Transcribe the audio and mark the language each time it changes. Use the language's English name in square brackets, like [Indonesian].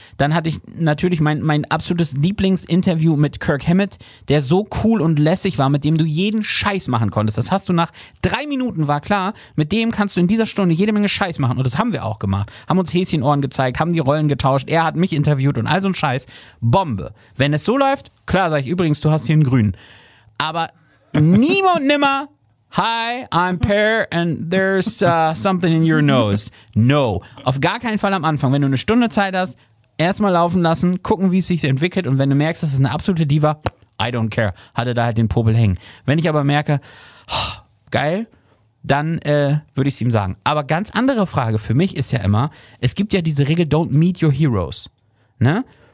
[German] Dann hatte ich natürlich mein absolutes Lieblingsinterview mit Kirk Hammett, der so cool und lässig war, mit dem du jeden Scheiß machen konntest. Das hast du nach 3 Minuten, war klar, mit dem kannst du in dieser Stunde jede Menge Scheiß machen. Und das haben wir auch gemacht. Haben uns Häschenohren gezeigt, haben die Rollen getauscht, er hat mich interviewt und all so ein Scheiß. Bombe. Wenn es so läuft, klar, sag ich übrigens, du hast hier einen Grün. Aber niemand nimmer [English] Hi, I'm Per and there's something in your nose. No. [German] Auf gar keinen Fall am Anfang. Wenn du eine Stunde Zeit hast, erstmal laufen lassen, gucken, wie es sich entwickelt und wenn du merkst, das ist eine absolute Diva, [English] I don't care, [German] hat er da halt den Popel hängen. Wenn ich aber merke, oh, geil, dann würde ich es ihm sagen. Aber ganz andere Frage für mich ist ja immer, es gibt ja diese Regel, [English] don't meet your heroes. [German] Ne?